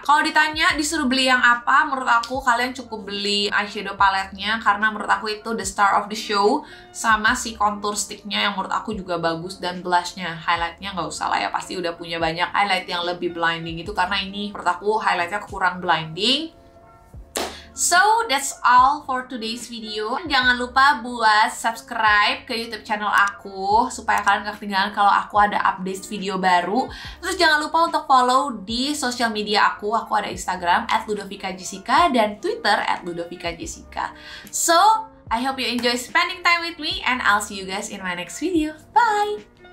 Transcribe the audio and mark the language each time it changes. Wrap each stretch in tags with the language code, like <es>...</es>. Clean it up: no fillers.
<id>Kalau ditanya disuruh beli yang apa, menurut aku kalian cukup beli eyeshadow palette-nya karena menurut aku itu</id> <en>the star of the show,</en> <id>sama si contour stick-nya yang menurut aku juga bagus, dan blush-nya. Highlight-nya nggak usah lah ya, pasti udah punya banyak highlight yang lebih blinding itu, karena ini menurut aku highlight-nya kurang blinding.</id> <en>So, that's all for today's video.</en> <id>Jangan lupa buat subscribe ke YouTube channel aku supaya kalian gak ketinggalan kalau aku ada update video baru. Terus jangan lupa untuk follow di social media aku. Aku ada Instagram @ludovikajessica dan Twitter @ludovikajessica.</id> <en>So, I hope you enjoy spending time with me, and I'll see you guys in my next video. Bye!</en>